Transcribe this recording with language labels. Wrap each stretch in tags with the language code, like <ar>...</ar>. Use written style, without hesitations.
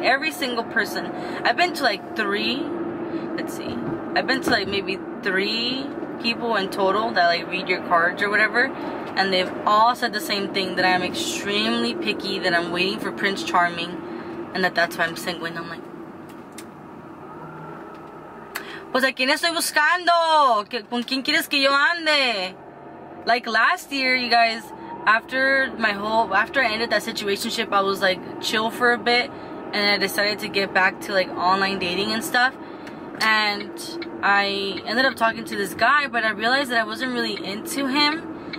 <en>Every single person. I've been to, like, three. Let's see. I've been to, like, maybe three people in total that, like, read your cards or whatever. And they've all said the same thing, that I'm extremely picky, that I'm waiting for Prince Charming, and that's why I'm single. And I'm like,</en> <es>pues, ¿a quién estoy buscando? ¿Con quién quieres que yo ande?</es> <en>Like, last year, you guys, after I ended that situationship, I was, like, chill for a bit. And I decided to get back to, like, online dating and stuff. And I ended up talking to this guy, but I realized that I wasn't really into him.</en>